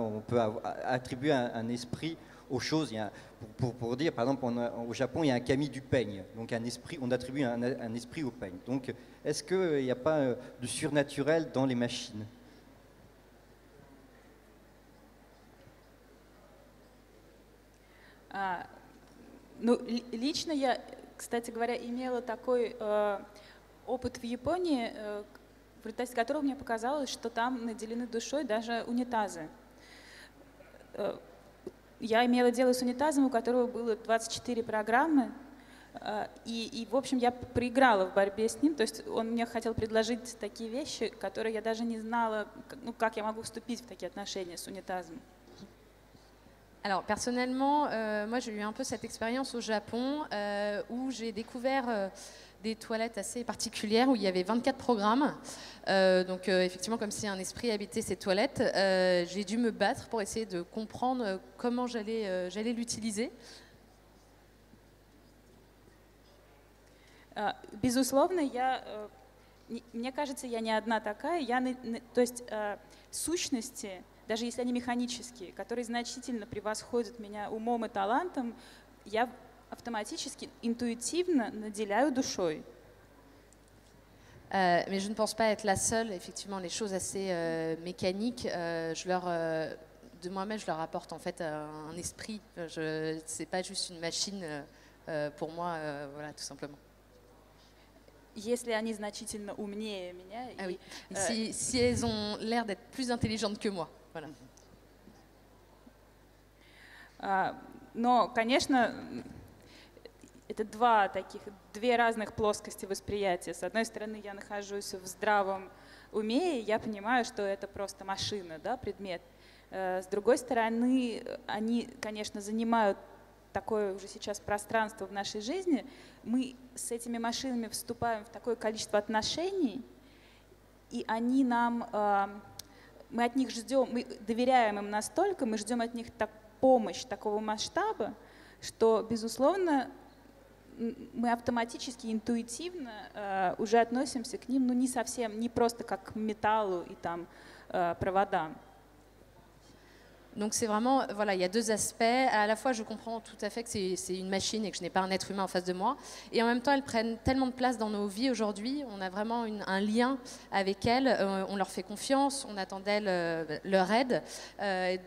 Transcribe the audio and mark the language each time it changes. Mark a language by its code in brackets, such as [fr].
[fr] On peut attribuer un esprit aux choses. Pour dire, par exemple, au Japon, il y a un kami du peigne. Donc un esprit, on attribue un esprit au peigne. Donc est-ce qu'il n'y a pas de surnaturel dans les machines ? [ru] Лично я, кстати говоря, имела такой опыт в Японии, в результате которого мне показалось, что там наделены душой даже унитазы. Я имела дело с унитазом, у которого было 24 программы, и в общем, я проиграла в борьбе с ним, то есть он мне хотел предложить такие вещи, которые я даже не знала, ну, как я могу вступить в такие отношения с унитазом. [fr] Alors, personnellement, moi, j'ai eu un peu cette expérience au Japon où j'ai découvert des toilettes assez particulières où il y avait 24 programmes. Donc, effectivement, comme si un esprit habitait ces toilettes, j'ai dû me battre pour essayer de comprendre comment j'allais l'utiliser. [ru] Безусловно, я, мне кажется, я не одна такая. Я, то есть, сущности... даже если они механические, которые значительно превосходят меня умом и талантом, я автоматически, интуитивно наделяю душой. [fr] Mais je ne pense pas être la seule. Effectivement, les choses assez mécaniques, de moi-même, je leur apporte en fait un esprit. C'est pas juste une machine pour moi, voilà, tout simplement. [ru] Если они значительно умнее меня. [fr] Ah, oui. Si elles ont l'air d'être plus intelligentes que moi. Voilà. [ru] Но, конечно, это два таких, две разных плоскости восприятия. С одной стороны, я нахожусь в здравом уме, и я понимаю, что это просто машина, да, предмет. С другой стороны, они, конечно, занимают такое уже сейчас пространство в нашей жизни. Мы с этими машинами вступаем в такое количество отношений, и они нам... мы от них ждем, мы доверяем им настолько, мы ждем от них помощь такого масштаба, что, безусловно, мы автоматически, интуитивно уже относимся к ним, ну не совсем, не просто как к металлу и там проводам. [fr] Donc c'est vraiment, voilà, il y a deux aspects. À la fois, je comprends tout à fait que c'est une machine et que je n'ai pas un être humain en face de moi. Et en même temps, elles prennent tellement de place dans nos vies aujourd'hui. On a vraiment un lien avec elles. On leur fait confiance, on attend d'elles leur aide.